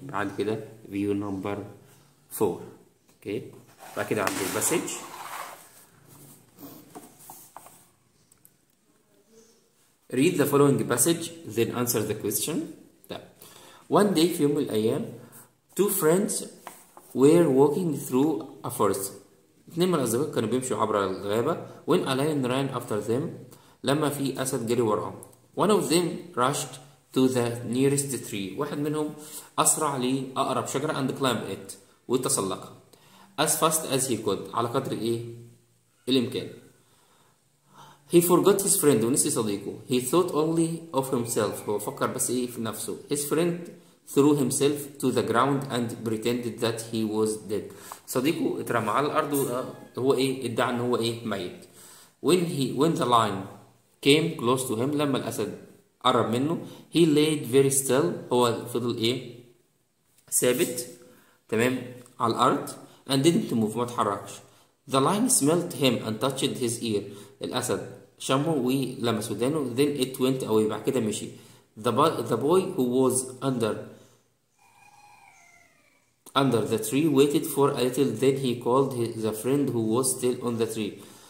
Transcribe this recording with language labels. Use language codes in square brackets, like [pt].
[ar] بعد كده [en] view number 4. [ar] اوكي، بعد كده عندي المسج، [en] read the following passage then answer the question. One day، [ar] في يوم من الايام، [en] two friends were walking through a forest، [ar] اثنين من الأصدقاء كانوا بيمشوا عبر الغابة. [en] When a lion ran after them، [ar] لما في أسد جري وراهم. [en] One of them rushed to the nearest tree. [ar] واحد منهم أسرع لأقرب شجرة [en] and climbed it [ar] وتسلقها. [en] As fast as he could. [ar] على قدر إيه؟ الإمكان. [en] He forgot his friend. [ar] ونسي صديقه. [en] He thought only of himself. [ar] هو فكر بس إيه في نفسه. [en] His friend threw himself to the ground and pretended that he was dead. [ar] صديقه اترمى على الأرض وهو إيه؟ ادعى إن هو إيه؟ ميت. [en] When the lion came close to him, [ar] لما الأسد قرب منه, [en] he laid very still. [ar] هو فضل إيه؟ ثابت تمام على الأرض [en] and didn't move, [ar] ما اتحركش. [en] The lion smelled him and touched his ear. [ar] الأسد شمه ولمس ودانه. [en] Then it went away, [ar] بعد كده مشي. [en] The boy who was under the tree waited for a little, then he called the friend who was still on the tree.